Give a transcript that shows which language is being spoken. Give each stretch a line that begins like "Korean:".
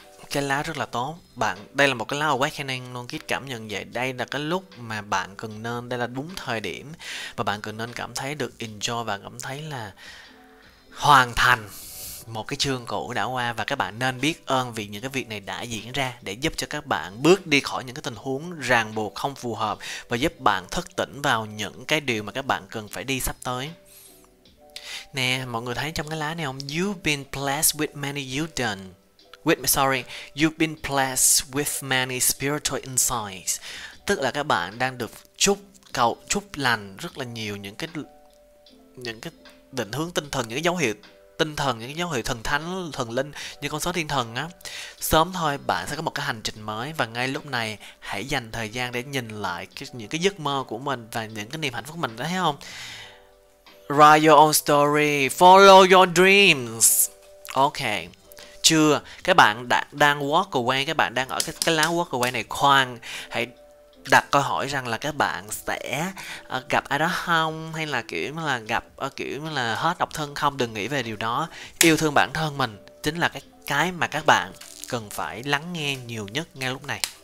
Vietnamese: Cái lá rất là tốt bạn, đây là một cái lá awakening luôn. Kit cảm nhận vậy, đây là cái lúc mà bạn cần nên, đây là đúng thời điểm và bạn cần nên cảm thấy được enjoy và cảm thấy là hoàn thành một cái chương cũ đã qua, và các bạn nên biết ơn vì những cái việc này đã diễn ra để giúp cho các bạn bước đi khỏi những cái tình huống ràng buộc không phù hợp và giúp bạn thức tỉnh vào những cái điều mà các bạn cần phải đi sắp tới. Nè, mọi người thấy trong cái lá này không?
English: You've been blessed with many you've done. With, sorry, you've been blessed with many spiritual insights.
Vietnamese: Tức là các bạn đang được chúc cầu chúc lành rất là nhiều những cái định hướng tinh thần, những cái dấu hiệu tinh thần, những cái dấu hiệu thần thánh, thần linh, như con số thiên thần á. Sớm thôi bạn sẽ có một cái hành trình mới, và ngay lúc này hãy dành thời gian để nhìn lại những cái giấc mơ của mình và những cái niềm hạnh phúc của mình đó, thấy không?
English: Write your own story, follow your dreams. Okay.
Vietnamese: Chưa, các bạn đang walk away, các bạn đang ở cái lá walk away này. Khoan, hãy đặt câu hỏi rằng là các bạn sẽ gặp ai đó không, hay là kiểu là gặp kiểu là hết độc thân không. Đừng nghĩ về điều đó, yêu thương bản thân mình chính là cái mà các bạn cần phải lắng nghe nhiều nhất ngay lúc này.